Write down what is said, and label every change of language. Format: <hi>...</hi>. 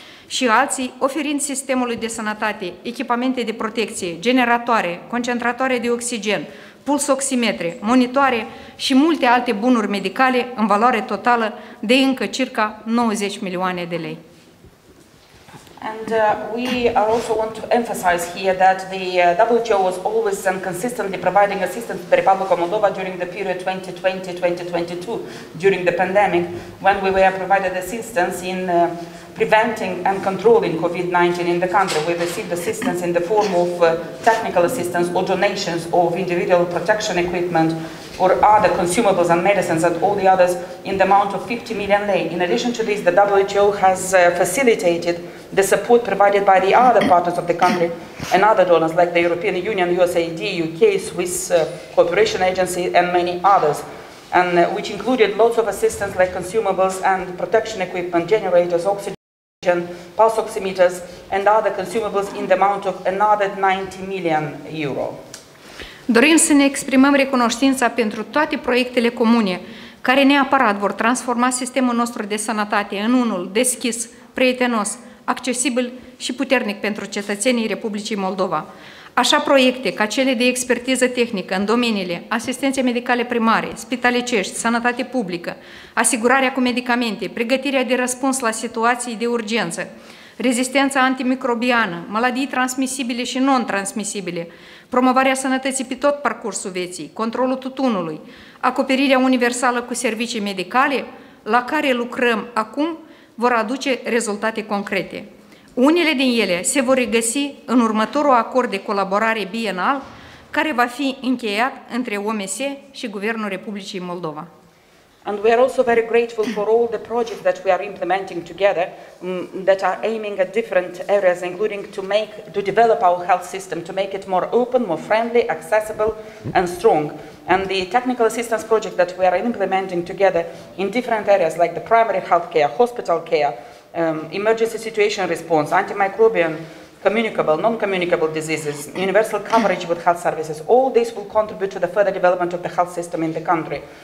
<ro>și alții, oferind sistemului de sănătate, echipamente de protecție, generatoare, concentratoare de oxigen, pulsoximetre, monitoare și multe alte bunuri medicale în valoare totală de încă circa 90 milioane de lei.</ro> <en>And we also want to emphasize here that the WTO was always and consistently providing assistance to the Republic of Moldova during the period 2020-2022, during the pandemic, when we were provided assistance in preventing and controlling COVID-19 in the country. We received assistance in the form of technical assistance or donations of individual protection equipment or other consumables and medicines and all the others in the amount of 50 million lei. In addition to this, the WTO has facilitated the support provided by the other partners of the country and other donors like the European Union, USAID, UK, Swiss Cooperation Agency and many others, and which included lots of assistance like consumables and protection equipment, generators, oxygen, pulse oximeters and other consumables in the amount of another 90 million euro.</en> <ro>Dorim să ne exprimăm recunoștința pentru toate proiectele comune care neapărat vor transforma sistemul nostru de sănătate în unul deschis, prietenos, accesibil și puternic pentru cetățenii Republicii Moldova. Așa proiecte ca cele de expertiză tehnică în domeniile asistențe medicale primare, spitalicești, sănătate publică, asigurarea cu medicamente, pregătirea de răspuns la situații de urgență, rezistența antimicrobiană, maladii transmisibile și non-transmisibile, promovarea sănătății pe tot parcursul vieții, controlul tutunului, acoperirea universală cu servicii medicale, la care lucrăm acum, vor aduce rezultate concrete. Unele din ele se vor regăsi în următorul acord de colaborare bienal, care va fi încheiat între OMS și Guvernul Republicii Moldova.</ro> <en>And we are also very grateful for all the projects that we are implementing together that are aiming at different areas, including to develop our health system, to make it more open, more friendly, accessible and strong. And the technical assistance project that we are implementing together in different areas like the primary health care, hospital care, emergency situation response, antimicrobial, communicable, non-communicable diseases, universal coverage with health services, all this will contribute to the further development of the health system in the country.</en>